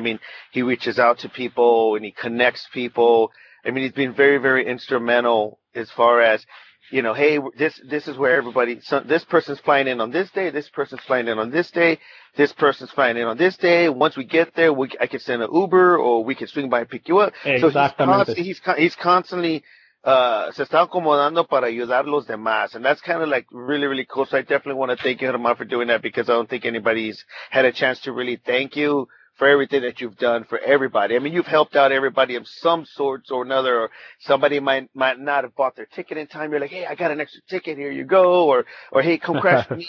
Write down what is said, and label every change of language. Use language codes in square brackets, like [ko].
[en] I mean, he reaches out to people and he connects people. I mean, he's been very, very instrumental as far as, you know, hey, this is where everybody, so this person's flying in on this day, this person's flying in on this day, this person's flying in on this day. Once we get there, I can send an Uber or we can swing by and pick you up. [es] Exactamente. [en] So he's constantly, [es] se está acomodando para ayudar los demás. [en] And that's kind of like really, really cool. So I definitely want to thank you, Germán, for doing that, because I don't think anybody's had a chance to really thank you for everything that you've done for everybody. I mean, you've helped out everybody of some sorts or another, or somebody might not have bought their ticket in time. You're like, hey, I got an extra ticket. Here you go. Or hey, come crash with me.